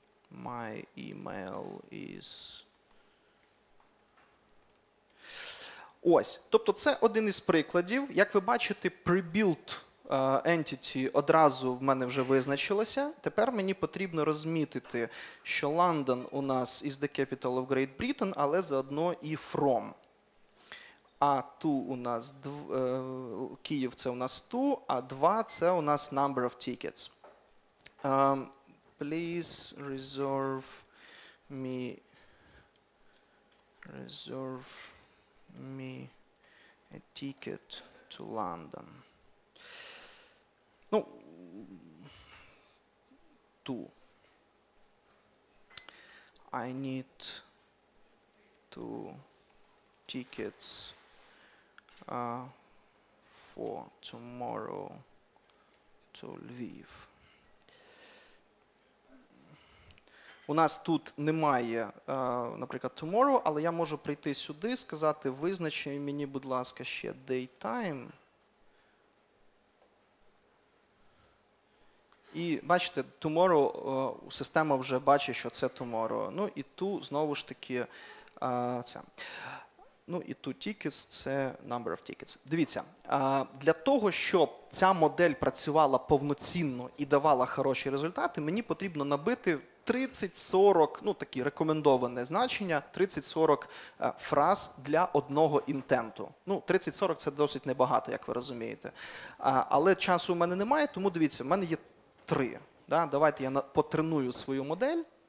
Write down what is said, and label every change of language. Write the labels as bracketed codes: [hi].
[en] My email is…» [uk] Ось. Тобто це один із прикладів. Як ви бачите, pre-built entity одразу в мене вже визначилося. Тепер мені потрібно розмітити, що London у нас [en] is the capital of Great Britain, [uk] але заодно і from. А ту у нас… Київ – це у нас ту, а два – це у нас [en] number of tickets. Please reserve me… Reserve me a ticket to London. [uk] Ну, to. [en] I need two tickets for tomorrow to Lviv. [uk] У нас тут немає, наприклад, tomorrow, але я можу прийти сюди, сказати, визначи мені, будь ласка, ще daytime. І бачите, tomorrow, система вже бачить, що це tomorrow. Ну і ту, знову ж таки, це. Ну і ту tickets, це [en] number of tickets. [uk] Дивіться, для того, щоб ця модель працювала повноцінно і давала хороші результати, мені потрібно набити 30-40, ну, такі рекомендоване значення, 30-40 фраз для одного інтенту. Ну, 30-40 – це досить небагато, як ви розумієте. Але часу в мене немає, тому дивіться, в мене є три. Да? Давайте я потреную свою модель.